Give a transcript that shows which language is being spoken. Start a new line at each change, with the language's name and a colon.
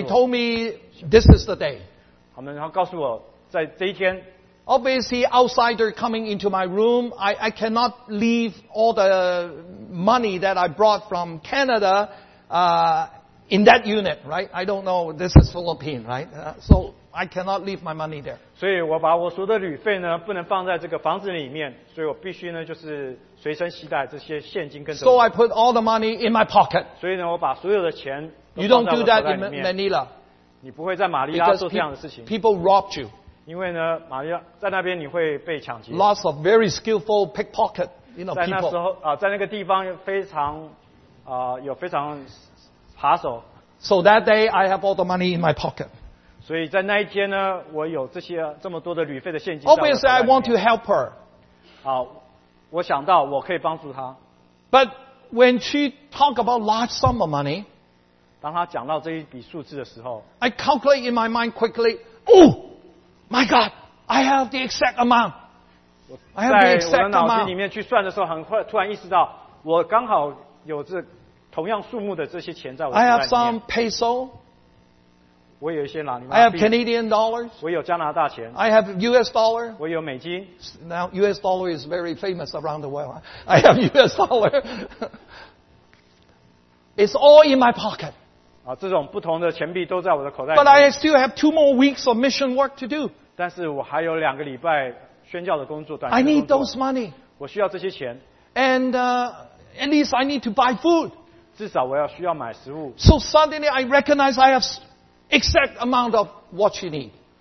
English: They told me this is the day.
Chinese: 然后告诉我在这一天
English: Obviously, outsider coming into my room, I cannot leave all the money that I brought from Canada in that unit, right? I don't know, this is Philippine, right? So I cannot leave my money there.
Chinese: 所以我把我所有的旅费呢, 不能放在这个房子里面, 所以我必须呢, 就是随身携带这些现金跟着我。
English: So I put all the money in my pocket.
Chinese: 所以呢, 我把所有的钱都放在我的口袋里面。
English: You don't do that in Manila.
Chinese: 你不会在马尼拉做这样的事情。
English: People robbed you.
Chinese: 因为呢, 马尼拉, 在那边你会被抢劫。
English: Lots of very skillful pickpocket, you know,
Chinese: 在那时候,
English: people.
Chinese: 在那个地方非常, 有非常扒手。
English: So that day I have all the money in my pocket.
Chinese: 所以在那一天呢, 我有这些这么多的旅费的现金。
English: Obviously, I want to help her.
Chinese: 我想到我可以帮助她。
English: But when she talked about large sum of money,
Chinese: 当她讲到这一笔数字的时候,
English: I calculate in my mind quickly, oh, my God, I have the exact amount. I have the exact amount.
Chinese: 在我的脑筋里面去算的时候, 很快, 突然意识到, 我刚好有这同样数目的这些钱在我的口袋里面。
English: I have some peso.
Chinese: 我有一些哪里嘛,
English: I have Canadian dollars.
Chinese: 我有加拿大钱,
English: I have US dollar.
Chinese: 我有美金,
English: now US dollar is very famous around the world. I have US dollar. It's all in my pocket.
Chinese: 这种不同的钱币都在我的口袋里面。
English: But I still have 2 more weeks of mission work to do.
Chinese: 但是我还有2个礼拜宣教的工作,
English: I need those money.
Chinese: 我需要这些钱。
English: And at least I need to buy food.
Chinese: 至少我要需要买食物。
English: So suddenly I recognize I have exact amount of what you need.